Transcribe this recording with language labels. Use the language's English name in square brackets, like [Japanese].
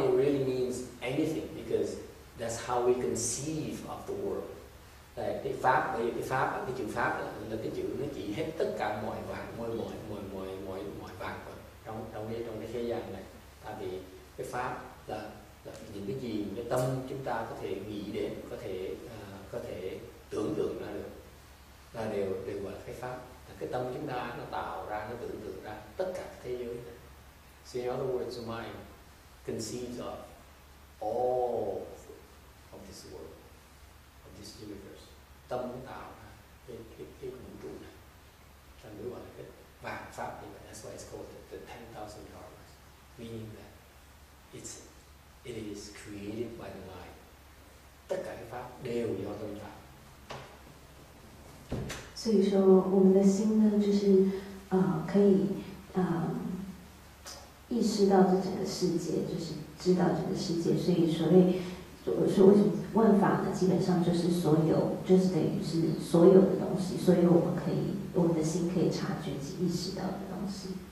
[English] It really means anything because that's how we conceive of the world. [Vietnamese] Cái pháp là cái chữ nó chỉ hết tất cả mọi vàng, mọi vàng trong cái thế gian này. Tại vì cái pháp là những cái gì cái tâm chúng ta có thể nghĩ đến, có thể tưởng tượng ra được, là đều gọi là cái pháp. Là cái tâm chúng ta nó tạo ra, nó tưởng tượng ra tất cả thế giới này. [English] So in other words, your mind conceives of all of this world, of this universe. [Vietnamese] Tâm tạo ra cái vũ trụ này, thành đứa gọi là cái vạn pháp, như vậy. [English] That's why it's called the $10,000, meaning that it is created by the mind. [Vietnamese] Tất cả cái pháp đều do tâm tạo. [Chinese] 所以说，我们的心呢，就是可以意识到这整个世界，就是知道这个世界。所以所谓我说为什么万法呢？基本上就是所有，就是等于是所有的东西，所有我们的心可以察觉及意识到的东西。